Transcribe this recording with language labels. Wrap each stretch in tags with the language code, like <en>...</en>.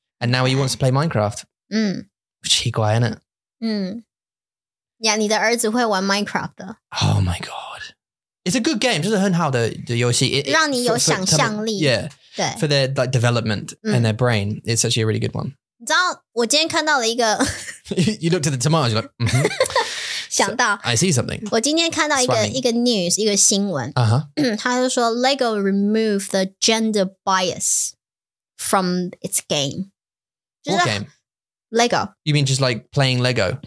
<en>，and now he wants to play Minecraft. 嗯，</en> <zh>奇怪呢。嗯，呀，你的儿子会玩 Minecraft 的。</zh> <en>Oh my god, it's a good game.</en> <zh>就是很好的游戏，让你有想象力。</zh> <en>Yeah.</en> <zh>对</zh> <en>for their like development and their brain, it's actually a really good one.</en> <zh>你知道我今天看到了一个</zh> <en>You looked at the tomatoes, you're like,、mm-hmm.</en> <zh>想到</zh> <en>so, I see something.</en> <zh>我今天看到一个 news, 一个新闻、 uh-huh. 他就说</zh> <en>Lego remove the gender bias from its game. What game? Lego. You mean just like playing Lego?</en>